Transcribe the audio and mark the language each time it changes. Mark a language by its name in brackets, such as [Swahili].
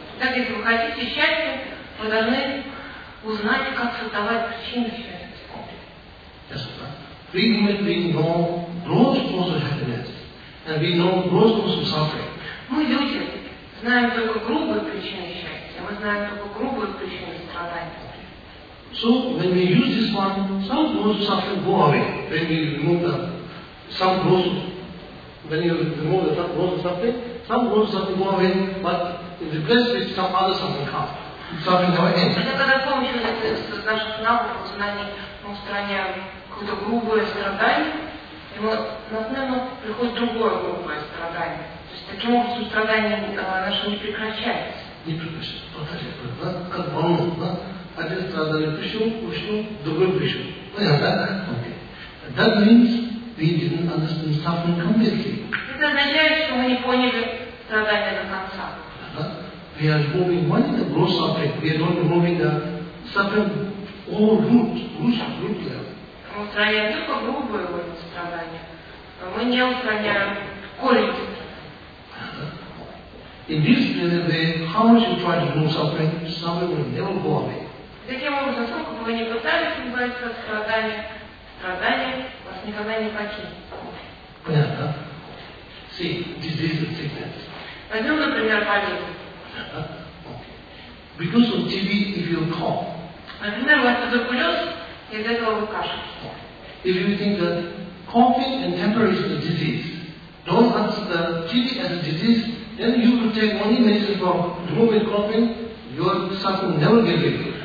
[Russian] Так, если вы хотите счастья, вы должны узнать, как создавать причины счастья. [English] Okay. Yes, we know gross source of happiness, and we know gross source of suffering. [Russian] Мы люди знаем только грубые причины счастья, мы знаем только грубые причины страдания. [English] So when we use this one, some gross suffering go away. When we remove the some gross, when you remove the gross suffering, some gross suffering go away. But in the place with some other suffering comes. Suffering never ends. [Russian] Это когда помощью наших навыков знаний мы устраняем какое-то грубое страдание, и вот на смену приходит другое грубое страдание. То есть таким образом страдание наше не прекращается. Не прекращается. Повторяю, да? Как волну, да? Один страдает пищу, ушну, другой пищу. Понятно, да? [English] That means we didn't understand suffering completely. [Russian] Это означает, что мы не поняли страдания до конца. [English] We are removing one in the gross suffering. We are not removing the suffering all root, root level. [Russian] Мы устраняем только грубую страдание. Мы не устраняем корень страдания. [English] In this way, how much you try to remove suffering, suffering will never go away. [Russian] Таким образом, сколько бы вы ни пытались избавиться от страдания, страдания вас никогда не покинут. Понятно? [English] See, disease and sickness. [Russian] Возьмем, например, болезнь. [English] Because of TB, if you cough. [Russian] Например, у вас туберкулез, и из этого вы кашляете. [English] If you think that coughing and temper is a disease, don't answer the TB as a disease, then you could take only medicine for removing coughing, your suffering never get away.